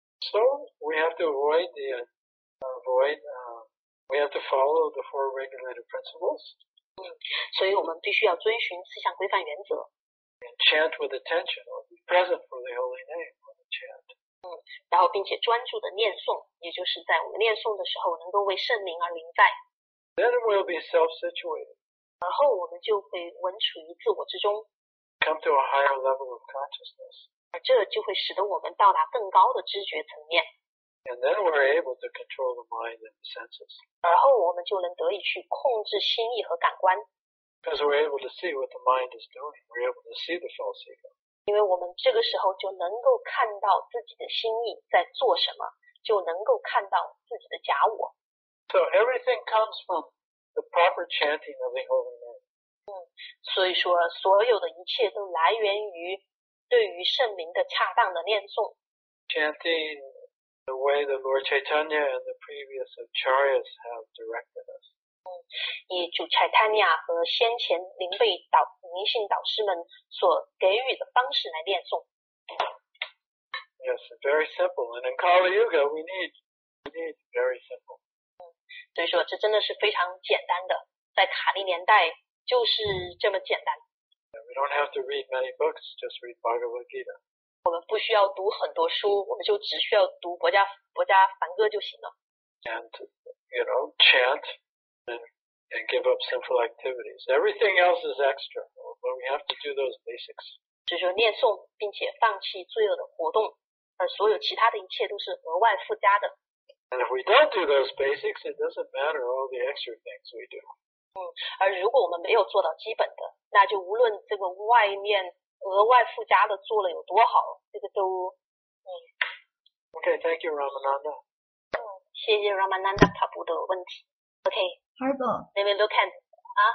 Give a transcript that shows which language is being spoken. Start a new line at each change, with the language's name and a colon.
English: So we have to follow the four regulative principles.
Chinese: 所以我们必须要遵循四项规范原则。
English: And chant with attention, or be present for the holy name when we chant.
Chinese: 然后并且专注的念诵，也就是在我们念诵的时候，能够为圣名而临在。
English: Then we'll be self-situated.
Chinese: 然后我们就会稳处于自我之中。
English: Come to a higher level of consciousness.
Chinese: 而这就会使得我们到达更高的知觉层面。
English: And then we're able to control the mind and the senses.
Chinese: 然后我们就能得以去控制心意和感官。
English: Because we're able to see what the mind is doing. We're able to see the false ego.
Chinese: 因为我们这个时候就能够看到自己的心意在做什么，就能够看到自己的假我。
English: So everything comes from the proper chanting of the holy name.
Chinese: 所以说所有的一切都来源于对于圣名的恰当的念诵。
English: Chanting the way the Lord Chaitanya and the previous acharyas have directed us.
Chinese: 以主柴塔尼亚和先前灵贝导灵性导师们所给予的方式来念诵。
English: Yes, very simple. And in Kali Yuga, we need very simple.
Chinese: 所以说，这真的是非常简单的，在卡利年代就是这么简单。
English: We don't have to read many books, just read Bhagavad Gita.
Chinese: 我们不需要读很多书，我们就只需要读博迦梵歌就行了。
English: And you know, chant. And give up sinful activities. Everything else is extra, but we have to do those basics.
Chinese: 就是念诵，并且放弃罪恶的活动，而所有其他的一切都是额外附加的。
English: And if we don't do those basics, it doesn't matter all the extra things we do.
Chinese: 而如果我们没有做到基本的，那就无论这个外面额外附加的做了有多好，这个都
English: Okay, thank you, Ramananda.
Chinese: 谢谢 Ramananda 卡布的问题。OK。
English: Harbo，Let me look at 啊，